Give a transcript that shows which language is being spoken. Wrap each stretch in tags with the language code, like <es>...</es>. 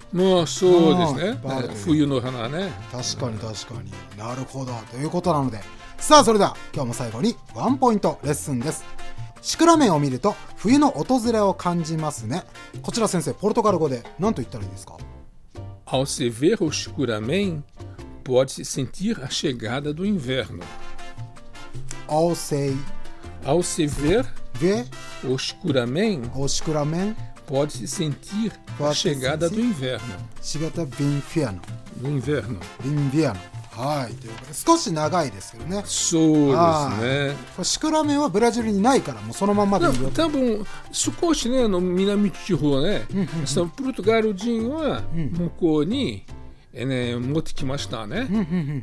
<ja>まあそうですね。冬の花ね。確かに確かに。なるほど、ということなので、さあそれでは今日も最後にワンポイントレッスンです。シクラメンを見ると冬の訪れを感じますね。こちら先生、ポルトガル語で何と言ったらいいですか。</ja> <pt>Ao se ver o Shikuramen, pode-se sentir a chegada do inverno. Ao se ver o Shikuramen, pode-se sentir a chegada do inverno. Chegada do inverno. Do inverno. Do inverno.</pt> <ja>はい、少し長いですけどね。そうですね。シクラメンはブラジルにないからもうそのままでいいよ。多分少しね、の南地方ね、そのポルトガル人は向こうに、ね、持ってきましたね。</ja>